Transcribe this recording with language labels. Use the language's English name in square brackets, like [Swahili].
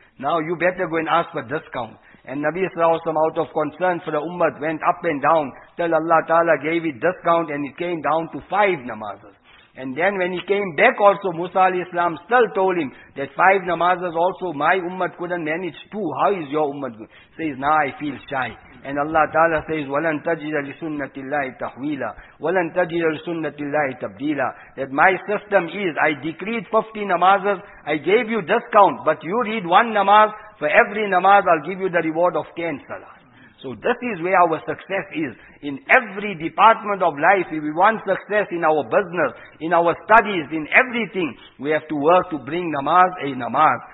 [English] Now you better go and ask for discount. And Nabi Sallallahu Alaihi Wasallam, out of concern for the ummah, went up and down till Allah Ta'ala gave it discount and it came down to 5 namazas. And then when he came back also, Musa Alayhi Salam still told him that 5 namazas also my ummah couldn't manage 2. How is your ummah good? He says, nah, I feel shy. And Allah Ta'ala says, [Arabic] وَلَن تَجِدَ لِسُنَّةِ اللَّهِ تَحْوِيلًا وَلَن تَجِدَ لِسُنَّةِ اللَّهِ تَبْدِيلًا. [English] That my system is, I decreed 50 namazas, I gave you discount, but you read 1 namaz, for every namaz I'll give you the reward of 10 salah. So this is where our success is. In every department of life, if we want success in our business, in our studies, in everything, we have to work to bring namaz a namaz.